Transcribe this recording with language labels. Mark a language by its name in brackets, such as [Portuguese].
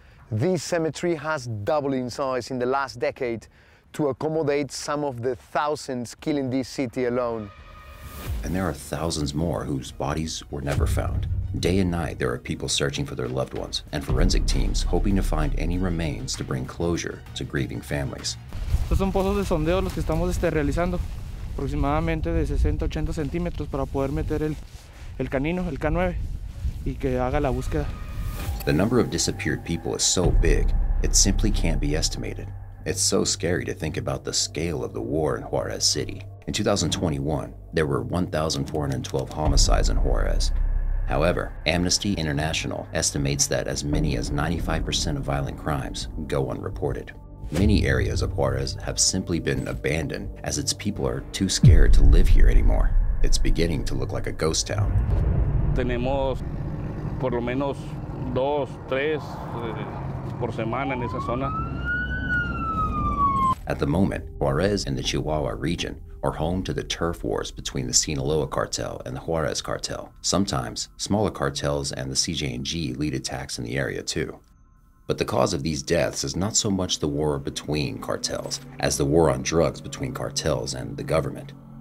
[English] This cemetery has doubled in size in the last decade to accommodate some of the thousands killed in this city alone. and there are thousands more whose bodies were never found. Day and night, there are people searching for their loved ones and forensic teams hoping to find any remains to bring closure to grieving families. [Spanish] Estos son pozos de sondeo los que estamos realizando, aproximadamente de 60 a 80 centímetros para poder meter el canino, el K9, y que haga la búsqueda. [English] The number of disappeared people is so big, it simply can't be estimated. It's so scary to think about the scale of the war in Juarez City. In 2021, there were 1,412 homicides in Juarez. However, Amnesty International estimates that as many as 95% of violent crimes go unreported. Many areas of Juarez have simply been abandoned as its people are too scared to live here anymore. It's beginning to look like a ghost town. [Spanish] Tenemos por lo menos dos, tres por semana en esa zona. [English] At the moment, Juarez and the Chihuahua region are home to the turf wars between the Sinaloa cartel and the Juarez cartel. Sometimes, smaller cartels and the CJNG lead attacks in the area too. But the cause of these deaths is not so much the war between cartels as the war on drugs between cartels and the government.